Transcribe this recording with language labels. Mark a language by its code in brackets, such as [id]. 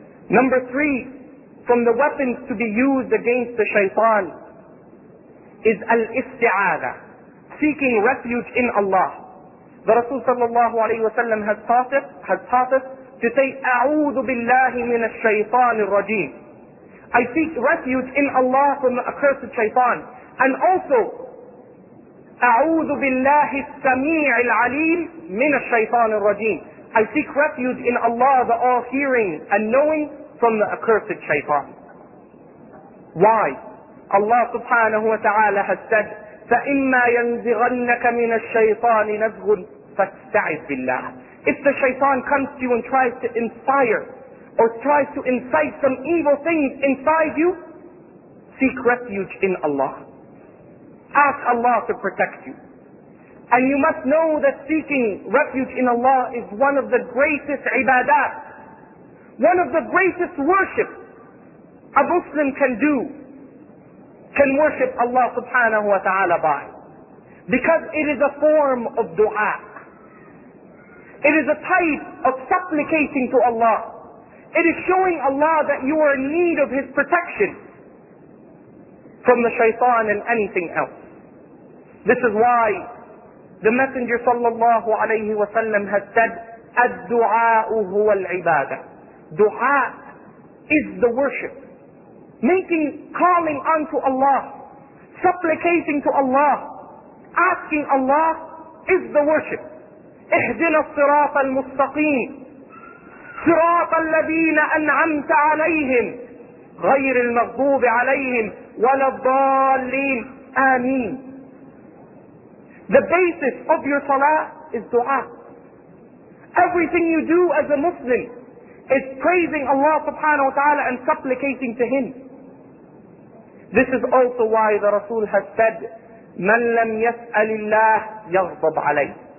[en] Number three, from the weapons to be used against the shaitan is al-isti'adha, seeking refuge in Allah. The Rasul sallallahu alayhi wa sallam has taught us to say, [ar] أعوذ بالله من الشيطان الرجيم. [en] I seek refuge in Allah from the accursed shaitan. And also, [ar] أعوذ بالله السميع العليم من الشيطان الرجيم. [en] I seek refuge in Allah, the all-hearing and knowing, from the accursed shaitan. Why? Allah subhanahu wa ta'ala has said, [ar] فَإِمَّا يَنْزِغَنَّكَ مِنَ الشَّيْطَانِ نَزْغٌ فَاسْتَعِذْ بِاللَّهِ. [en] If the shaitan comes to you and tries to inspire or tries to incite some evil things inside you, seek seek refuge in Allah. Ask Allah to protect you. And you must know that seeking refuge in Allah is one of the greatest ibadat, one of the greatest worship a Muslim can do, can worship Allah subhanahu wa ta'ala by. Because it is a form of dua. It is a type of supplicating to Allah. It is showing Allah that you are in need of His protection from the shaitan and anything else. This is why the Messenger sallallahu alayhi wa sallam has said, [ar] الدُّعَاءُ هُوَ الْعِبَادَةِ. [en] Dua is the worship. Making, calling unto Allah, supplicating to Allah, asking Allah is the worship. [ar] اهدنا الصراط المستقيم صراط الذين أنعمت عليهم غير المغضوب عليهم ولا الضالين آمين. [en] The basis of your salah is dua. Everything you do as a Muslim is praising Allah subhanahu wa ta'ala and supplicating to Him. This is also why the Rasul has said, [ar] مَنْ لَمْ يَسْأَلِ اللَّهِ يَغْضَبْ عَلَيْهِ.